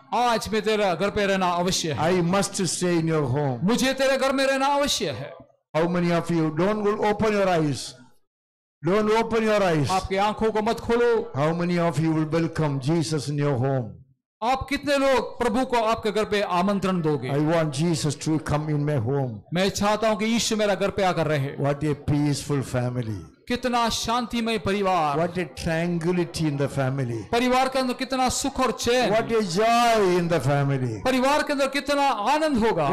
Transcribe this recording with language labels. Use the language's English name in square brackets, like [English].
[Hindi] आज मैं तेरे घर पे रहना अवश्य है। [English] I must stay in your home. [Hindi] मुझे तेरे घर में रहना अवश्य है। [English] How many of you don't go open your eyes? Don't open your eyes. [Hindi] आपकी आंखों को मत खोलो। [English] How many of you will welcome Jesus in your home? [Hindi] आप कितने लोग प्रभु को आपके घर पे आमंत्रण दोगे? [English] I want Jesus to come in my home. [Hindi] मैं चाहता हूँ कि यीशु मेरा घर पे आकर रहे। [English] What a peaceful family. [Hindi] कितना शांतिमय परिवार। [English] What a tranquility in the family. [Hindi] परिवार के अंदर कितना सुख और चैन। [English] What a joy in the family. [Hindi] परिवार के अंदर कितना आनंद होगा।